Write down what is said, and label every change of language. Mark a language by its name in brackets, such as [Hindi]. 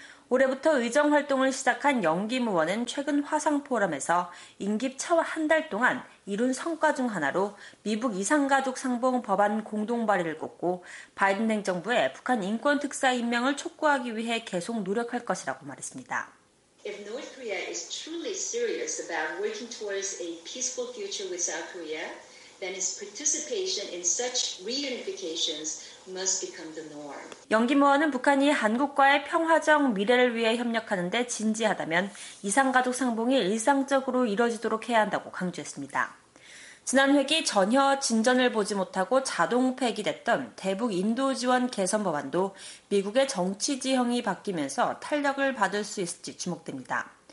[Korean] 올해부터 의정활동을 시작한 영김 의원은 최근 화상포럼에서 임기 첫 한 달 동안 이룬 성과 중 하나로 미국 이산가족 상봉 법안 공동 발의를 꼽고 바이든 행정부에 북한 인권특사 임명을 촉구하기 위해 계속 노력할 것이라고 말했습니다. [English] If North Korea is truly serious about working towards a peaceful future with South Korea, then its participation in such reunifications must become the norm. [Korean] 영김 의원은 북한이 한국과의 평화적 미래를 위해 협력하는 데 진지하다면 이산가족 상봉이 일상적으로 이뤄지도록 해야 한다고 강조했습니다. 지난 회기 전혀 진전을 보지 못하고 자동 폐기됐던 대북 인도 지원 개선 법안도 미국의 정치 지형이 바뀌면서 탄력을 받을 수 있을지 주목됩니다.